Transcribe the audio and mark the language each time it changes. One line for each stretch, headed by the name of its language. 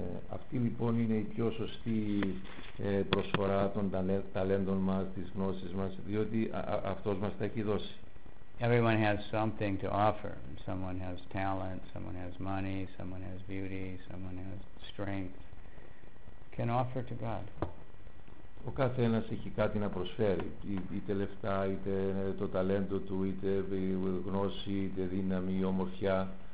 Greek: Αυτή λοιπόν είναι η πιο σωστή προσφορά των ταλέντων μας, της γνώσης μας, διότι αυτός μας τα έχει δώσει.
English: Everyone has something to offer. Someone has talent, someone has money, someone has beauty, someone has strength. Can offer to God.
Greek: Ο καθένας έχει κάτι να προσφέρει, είτε λεφτά, είτε το ταλέντο του, είτε γνώση, είτε δύναμη, ομορφιά.